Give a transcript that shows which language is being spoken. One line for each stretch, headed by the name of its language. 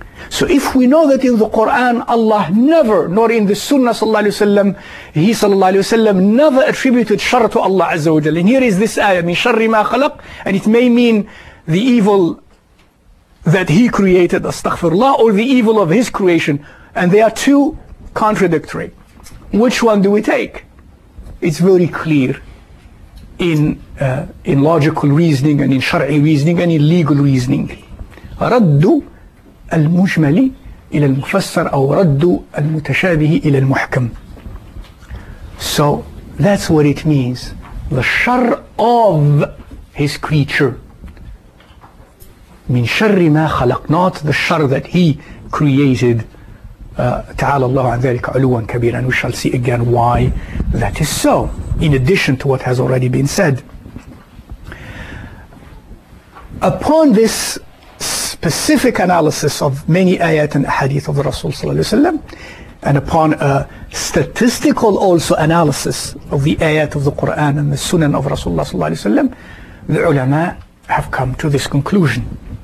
English: So if we know that in the Quran Allah never, nor in the Sunnah sallallahu alayhi wa sallam, he sallallahu alayhi wa sallam never attributed shar to Allah azza wa jalla, and here is this ayah, min sharri ma khalaq, and it may mean the evil that he created, astaghfirullah, or the evil of his creation, and they are two contradictory. Which one do we take? It's very clear in logical reasoning, and in shar'i reasoning, and in legal reasoning.
Arabic: رَدُّ الْمُجْمَلِ إِلَى الْمُفَسَّرِ أَوْ رَدُّ الْمُتَشَابِهِ إِلَى الْمُحْكَمِ.
English: So that's what it means. The shar of his creature.
Arabic: مِنْ شَرِّ مَا خَلَقْ,
English: not the shar that he created.
Arabic: تعالى الله عن ذلك علوا كبيرا.
English: And we shall see again why that is so, in addition to what has already been said. Upon this specific analysis of many ayat and hadith of the Rasul
Arabic: صلى الله عليه وسلم,
English: and upon a statistical also analysis of the ayat of the Quran and the Sunan of Rasulullah صلى الله عليه وسلم, the ulama have come to this conclusion.